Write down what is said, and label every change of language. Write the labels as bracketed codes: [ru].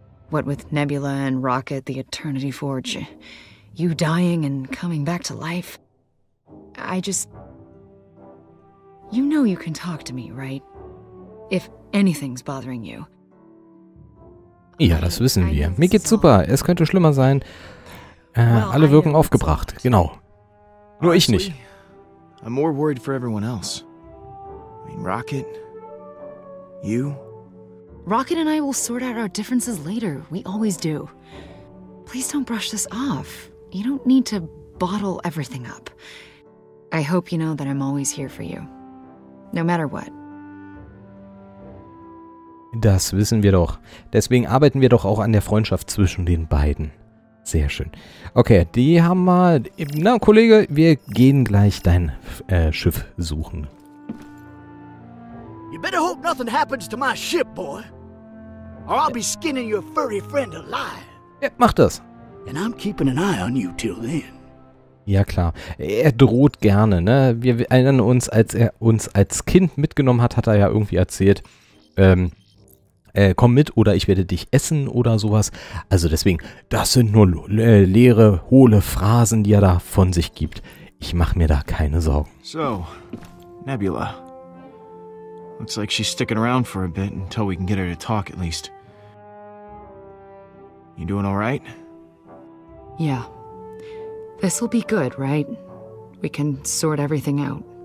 [en] What with Nebula and Rocket, the Eternity Forge. You dying and coming back to life. I just... You know you can talk to me, right? If anything's bothering you. [de] Ja, das wissen wir. Mir geht's super. Es könnte schlimmer sein. Alle wirken aufgebracht. Genau. Nur ich nicht. [en] I'm more worried for everyone else. I mean, Rocket. You. Rocket and I will sort out our differences later. We always do. Please don't brush this off. You don't need to bottle everything up. I hope you know that I'm always here for you. No matter what. [de] Das wissen wir doch. Deswegen arbeiten wir doch auch an der Freundschaft zwischen den beiden. Sehr schön. Okay, die haben mal... Na, Kollege, wir gehen gleich dein Schiff suchen. [en] You better hope nothing happens to my ship, boy. Or I'll be skinning your furry friend alive. [de] Ja, mach das. [en] And I'm keeping an eye on you till then. [de] Ja, klar. Er droht gerne, ne? Wir erinnern uns, als er uns als Kind mitgenommen hat, hat er ja irgendwie erzählt, komm mit oder ich werde dich essen oder sowas. Also deswegen, das sind nur leere, hohle Phrasen, die er da von sich gibt. Ich mache mir da keine Sorgen. So, Nebula. [en] Looks like she's sticking around for a bit until we can get her to talk at least. You doing all right? Yeah. This will be good, right? We can sort everything out.